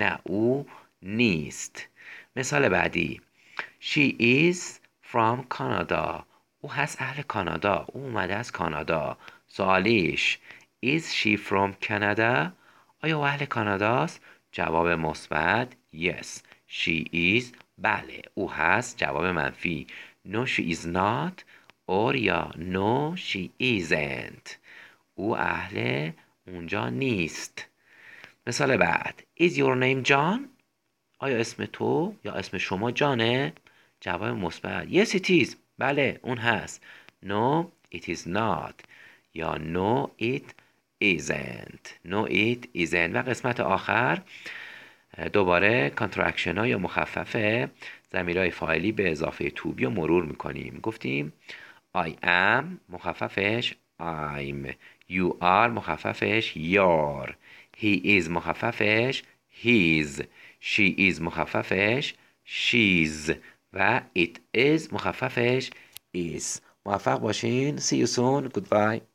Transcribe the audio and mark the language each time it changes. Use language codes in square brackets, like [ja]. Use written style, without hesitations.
[fa] نه او نیست. مثال بعدی. [en] She is from Canada. [fa] او هست اهل کانادا. او اومده از کانادا. سوالیش. [en] Is she from Canada? [fa] آیا او اهل کاناداست؟ جواب مثبت. Yes, [en] She is. [fa] بله او هست. جواب منفی [en] No, she is not. Or یا No, she isn't. [fa] او اهل اونجا نیست. مثال بعد [en] Is your name John? [fa] آیا اسم تو یا اسم شما جانه؟ جواب مثبت [en] Yes, it is. [fa] بله اون هست. [en] No, it is not. یا No, it isn't. No, it isn't. [fa] و قسمت آخر دوباره کانتراکشن ها یا مخففه ضمیرهای فاعلی به اضافه to be رو مرور میکنیم. [en] گفتیم I am مخففش I'm. You are مخففش your. He is مخففش his. She is مخففش she's. و it is مخففش is. [fa] موفق باشین. [en] See you soon. Goodbye.